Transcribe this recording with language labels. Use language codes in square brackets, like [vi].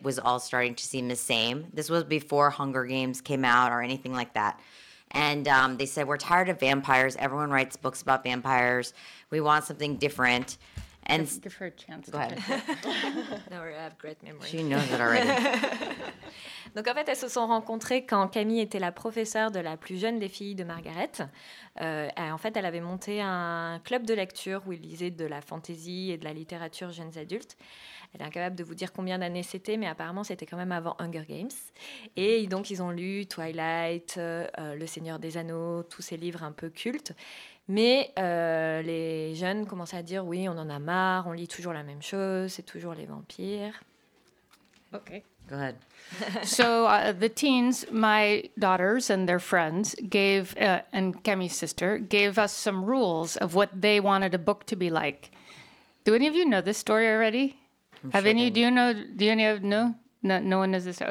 [en] It was all starting to seem the same. This was before Hunger Games came out or anything like that. And they said, we're tired of vampires. Everyone writes books about vampires. We want something different. And give her a chance. Go ahead. No, we have great memories. She knows it already. [fr] Donc en fait, elles se sont rencontrées quand Camille était la professeure de la plus jeune des filles de Margaret. En fait, elle avait monté un club de lecture où ils lisaient de la fantasy et de la littérature jeunes adultes. Elle est incapable de vous dire combien d'années c'était, mais apparemment, c'était quand même avant Hunger Games. Et donc, ils ont lu Twilight, Le Seigneur des Anneaux, tous ces livres un peu cultes. Mais les jeunes commençaient à dire « Oui, on en a marre, on lit toujours la même chose, c'est toujours les vampires. » Ok. [en] Go ahead. So the teens, my daughters and their friends gave, and Camille's sister, gave us some rules of what they wanted a book to be like. Do any of you know this story already? I'm Have sure any, didn't. Do you know, do any of, no? No, no one knows this story.